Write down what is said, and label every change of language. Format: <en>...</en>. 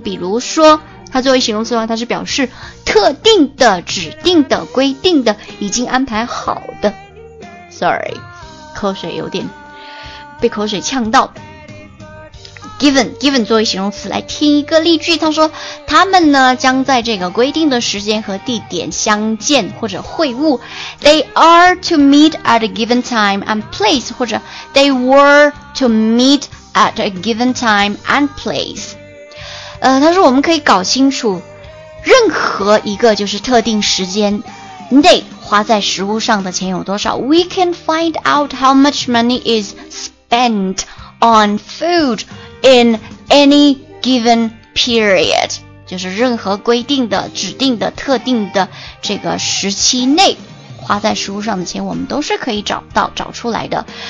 <zh>比如说它作为形容词的话，它是表示特定的、指定的、规定的、已经安排好的。 Sorry， 口水有点被口水呛到。 Given 作为形容词来听一个例句，他说，他们呢将在这个规定的时间和地点相见或者会晤。</zh> <en>They are to meet at a given time and place， 或者 They were to meet at a given time and place。</en> <zh>他说我们可以搞清楚任何一个就是特定时间内花在食物上的钱有多少。</zh> <en>We can find out how much money is spent on foodIn any given period，</en> <zh>就是任何规定的、指定的、特定的这个时期内花在食物上的钱，我们都是可以找出来的。</zh>